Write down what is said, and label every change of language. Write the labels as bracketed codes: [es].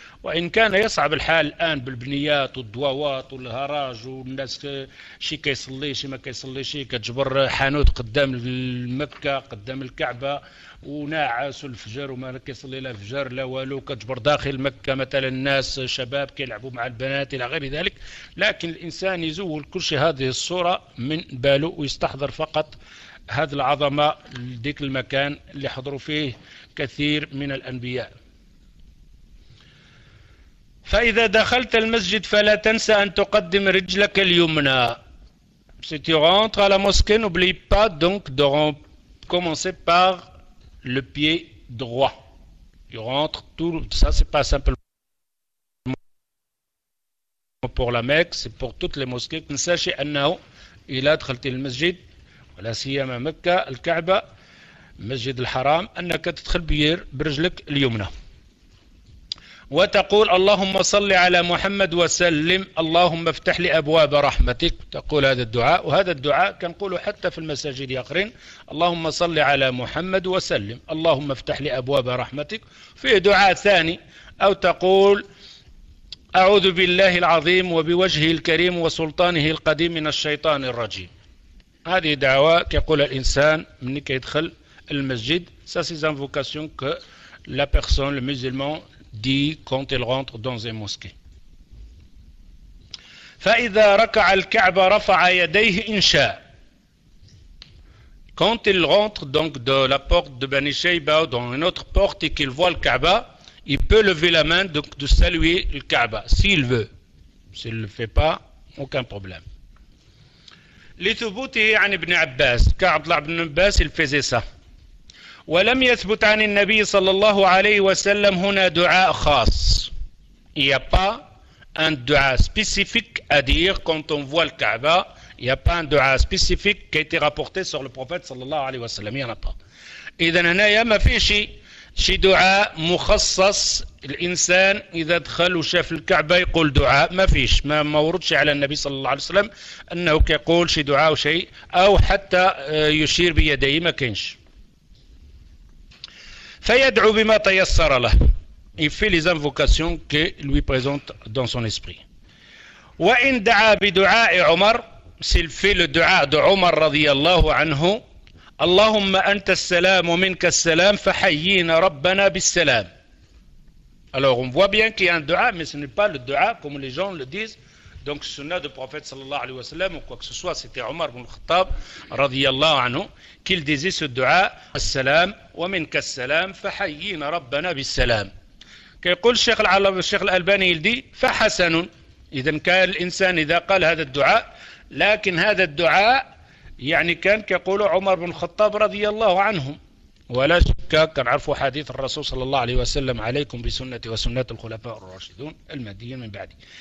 [ar] وإن كان يصعب الحال الآن بالبنيات والدواوات والهراج والناس شي كيصلي شي ما كيصلي شي كتجبر حانوت قدام المكة قدام الكعبة وناعس الفجر وما كيصلي لا فجر لا والو، كتجبر داخل مكة مثلا الناس شباب كيلعبوا مع البنات إلى غير ذلك، لكن الإنسان يزول كل شيء هذه الصورة من باله ويستحضر فقط هذه العظمة لديك المكان اللي حضروا فيه كثير من الأنبياء. فإذا دخلت المسجد فلا تنسى أن تقدم رجلك اليمنى. [fr] Si tu rentres à la mosquée, n'oublie pas donc de commencer par le pied droit. Tu rentres tout, ça c'est pas simplement pour la Mecque, c'est pour toutes les mosquées. [ar] Ne sachez annahu ila dakhalt al masjid wa la siyama Mecca al Kaaba masjid al Haram annaka tadkhul biyir birijlik al yumna. وتقول اللهم صل على محمد وسلم اللهم افتح لي أبواب رحمتك، تقول هذا الدعاء، وهذا الدعاء كنقوله حتى في المساجد يا أخرين، اللهم صل على محمد وسلم اللهم افتح لي أبواب رحمتك. في دعاء ثاني أو تقول أعوذ بالله العظيم وبوجهه الكريم وسلطانه القديم من الشيطان الرجيم. هذه دعوة يقول الإنسان من كي يدخل المسجد. [fr] Ça c'est une invocation que la personne, le musulman, dit quand il rentre dans une mosquée. [ar] فإذا ركع الكعبة رفع يديه إن شاء. [fr] Quand il rentre donc de la porte de Bani Shayba ou dans une autre porte et qu'il voit le Kaaba, il peut lever la main donc de saluer le Kaaba s'il veut. S'il ne le fait pas, aucun problème. [ar] لثبوته عن ابن عباس. [fr] Car Abdullah ibn Abbas, il faisait ça. [ar] ولم يثبت عن النبي صلى الله عليه وسلم هنا دعاء خاص. [fr] Il n'y a pas un دعاء spécifique à dire quand on voit le Kaaba. Il n'y a pas un دعاء spécifique qui a été rapporté sur le prophète [ar] صلى الله عليه وسلم. [fr] Il n'y en a pas. [ar] إذن هنا ما في شيء شي دعاء مخصص الإنسان إذا دخل وشاف الكعبة يقول دعاء، ما فيش، ما وردش على النبي صلى الله عليه وسلم أنه يقول شي دعاء وشيء أو حتى يشير بيديه، ما كينش. فيدعو بما تيسر له. [fr] Il fait les invocations que lui présente dans son esprit. [ar] وإن دعا بدعاء عمر. [fr] S'il fait le [ar] دعاء de عمر رضي الله عنه. اللهم أنت السلام ومنك السلام فحيينا ربنا بالسلام. [fr] Alors on voit bien qu'il y a un دعاء mais ce n'est pas le دعاء comme les gens le disent. Donc sunna du prophète [ar] صلى الله عليه وسلم [fr] ou quoi que ce soit, c'était [ar] عمر بن الخطاب رضي الله عنه [fr] qu'il disait ce [ar] دعاء السلام ومنك السلام فحيينا ربنا بالسلام. كيقول الشيخ العلام الشيخ الألباني يلدي فحسن. إذا كان الإنسان إذا قال هذا الدعاء، لكن هذا الدعاء يعني كان كيقول عمر بن الخطاب رضي الله عنهم، ولا شك كان عرفوا حديث الرسول صلى الله عليه وسلم عليكم بسنتي وسنة الخلفاء الراشدون المهديين من بعدي.